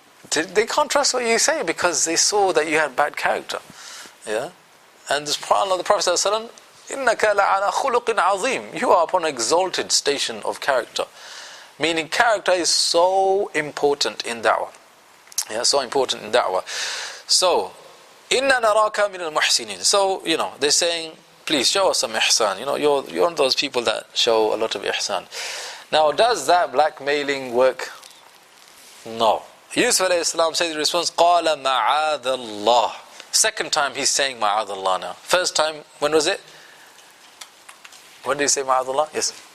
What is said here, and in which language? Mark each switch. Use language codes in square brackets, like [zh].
[en] They can't trust what you say because they saw that you had bad character. Yeah? And this part of the Prophet ﷺ, [ar] إِنَّكَ لَعَلَى خُلُقٍ عَظِيمٍ. [en] You are upon an exalted station of character. Meaning character is so important in da'wah. Yeah, so important in da'wah. [ar] So, إِنَّا نَرَاكَ مِنَ الْمُحْسِنِينَ. [en] So, you know, they're saying, please show us some ihsan. You know, you're one of those people that show a lot of ihsan. Now, does that blackmailing work? No. Yusuf alayhi salam says the response, [ar] قَالَ مَعَاذَ اللَّهِ. [en] Second time he's saying ma'adallah now. First time, when was it? When did he say ma'adallah? Yes.